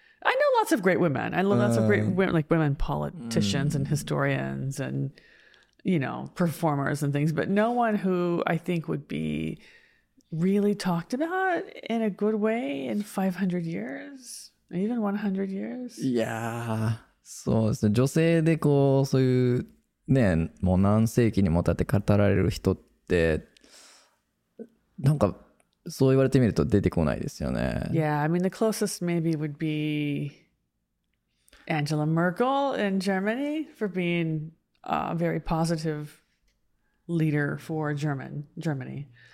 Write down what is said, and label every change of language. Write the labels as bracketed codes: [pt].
[en] I know lots of great women. I know lots of great women, like women politicians and historians and, you know, performers and things. But no one who I think would be really talked about in a good way in 500 years, even 100 years. Yeah. [ja] そうですね。女性でこう、そういうね、もう何世紀にもたって語られる人って、なんか、そう言われてみると出てこないですよね。 [en] Yeah, I mean the closest maybe would be Angela Merkel in Germany for being a very positive leader for Germany.